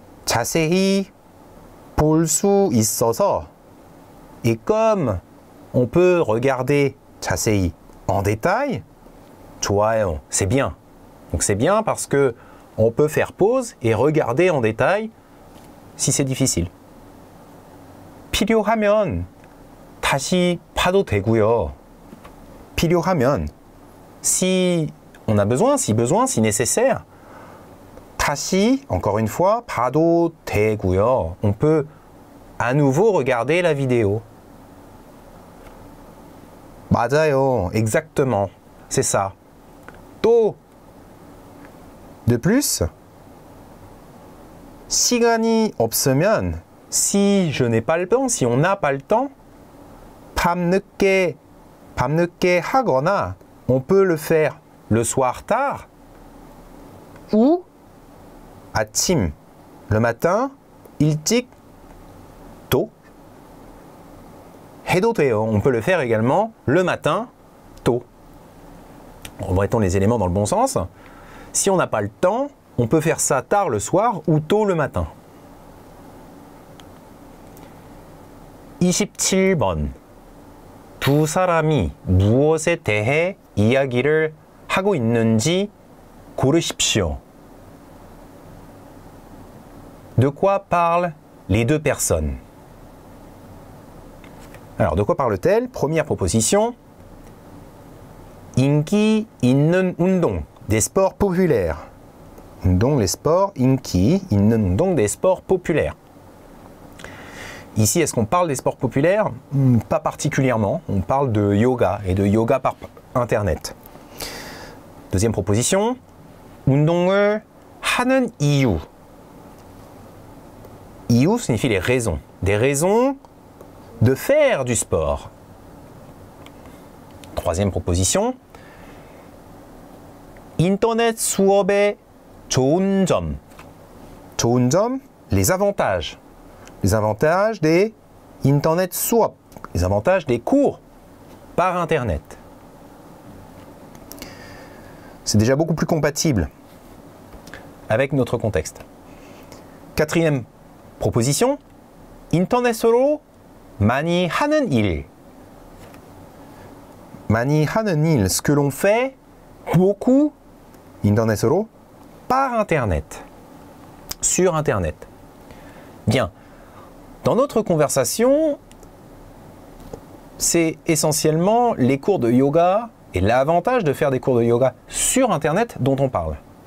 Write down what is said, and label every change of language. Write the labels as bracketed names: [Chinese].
[Korean] 자세히 볼 수 있어서. [French] Et comme on peut regarder [Korean] 자세히 [French] en détail. [Korean] 좋아요. [French] C'est bien. Donc, c'est bien parce que on peut faire pause et regarder en détail si c'est difficile. [Korean] 필요하면 다시 봐도 되고요. 필요하면 [French] si on a besoin, si nécessaire. [Korean] 다시 [French] encore une fois [Korean] 봐도 되고요. [French] On peut à nouveau regarder la vidéo. [Korean] 맞아요. [French] Exactement. C'est ça. [Korean] 또 [French] de plus [Korean] 시간이 없으면 [French] si je n'ai pas le temps, si on n'a pas le temps, [Korean] 밤늦게 하거나 [French] on peut le faire le soir tard ou [Korean] 아침, [French] le matin, [Korean] 일찍, [French] tôt. [Korean] 해도 돼요. [French] On peut le faire également le matin, tôt. Remettons les éléments dans le bon sens. Si on n'a pas le temps, on peut faire ça tard le soir ou tôt le matin. [Korean] 27번 두 사람이 무엇에 대해 이야기를 하고 있는지 고르십시오. [French] De quoi parlent les deux personnes? Alors, de quoi parle-t-elle? Première proposition. [Korean] 인기 있는 운동. [French] Des sports populaires. [Korean] 운동, [French] les sports, [Korean] 인기 있는 운동, [French] des sports populaires. Ici, est-ce qu'on parle des sports populaires? Pas particulièrement. On parle de yoga et de yoga par internet. Deuxième proposition. [Korean] 운동을 하는 이유. [French] Iyu signifie les raisons. Des raisons de faire du sport. Troisième proposition. [Korean] 인터넷 수업의 좋은 점. 좋은 점, [French] les avantages. Les avantages des internet swap. Les avantages des cours par internet. C'est déjà beaucoup plus compatible avec notre contexte. Quatrième proposition. [Korean] Internet으로 많이 하는 일. 많이 하는 일. [French] Ce que l'on fait beaucoup [Korean] internet으로 [French] par internet. sur Internet. Bien, dans notre conversation, c'est essentiellement les cours de yoga et l'avantage de faire des cours de yoga sur Internet dont on parle.